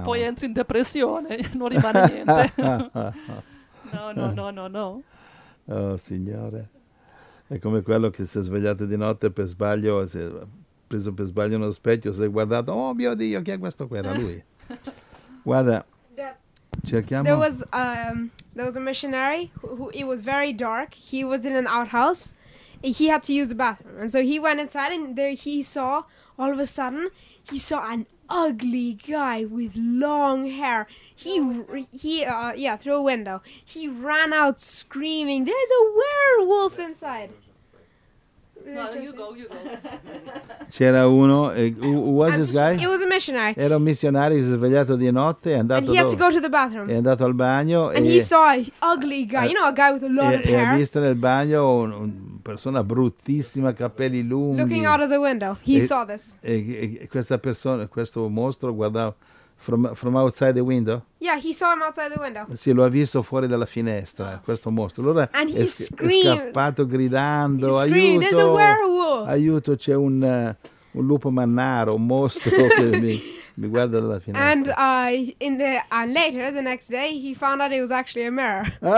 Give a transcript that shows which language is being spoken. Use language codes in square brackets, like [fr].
[it] E poi entri in depressione, non rimane niente. No. Oh, Signore. È come quello che si è svegliato di notte per sbaglio, si è preso per sbaglio uno specchio, si è guardato, oh mio Dio, chi è questo qui? Era lui. Guarda, cerchiamo. [en] There was a missionary who it was very dark. He was in an outhouse. He had to use the bathroom. And so he went inside and there he saw, all of a sudden, he saw an ugly guy with long hair. He through a window. He ran out screaming, "There's a werewolf inside!" No, you go. [it] C'era uno. [en] Who was this guy? It was a missionary. [it] Era un missionario che si è svegliato di notte e andato. [en] And he had to go to the bathroom. [it] È andato al bagno. [en] And he saw an ugly guy. You know, a guy with a long hair. [it] E ha visto nel bagno una persona bruttissima, capelli lunghi. [en] Looking out of the window, he saw this. [it] E questa persona, questo mostro, guardava [en] from outside the window. Yeah, he saw him outside the window. [it] Sì, lo ha visto fuori dalla finestra, questo mostro. Allora è scappato gridando, [en] he [it] aiuto! [en] There's a werewolf. [it] Aiuto, c'è un lupo mannaro, un mostro che mi guarda dalla finestra. [en] And later the next day he found out it was actually a mirror.